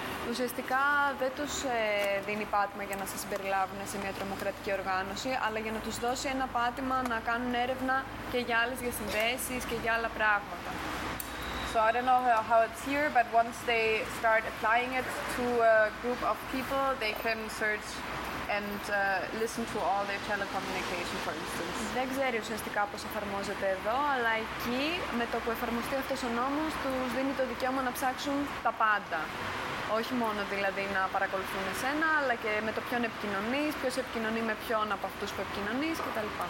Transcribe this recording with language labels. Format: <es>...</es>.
<el>Ουσιαστικά δεν τους δίνει πάτημα για να σας συμπεριλάβουν σε μια τρομοκρατική οργάνωση, αλλά για να τους δώσει ένα πάτημα να κάνουν έρευνα και για άλλες διασυνδέσεις και για άλλα πράγματα.</el> <en>So I don't know how it's here, but once they start applying it to a group of people, they can search and listen to all their telecommunication, for instance.</en> <el>Δεν ξέρει ουσιαστικά πώς εφαρμόζεται εδώ, αλλά εκεί, με το που εφαρμοστεί αυτός ο νόμος, τους δίνει το δικαίωμα να ψάξουν τα πάντα. Όχι μόνο δηλαδή να παρακολουθούν εσένα, αλλά και με το ποιον επικοινωνείς, ποιος επικοινωνεί με ποιον από αυτούς που επικοινωνείς κτλ.</el>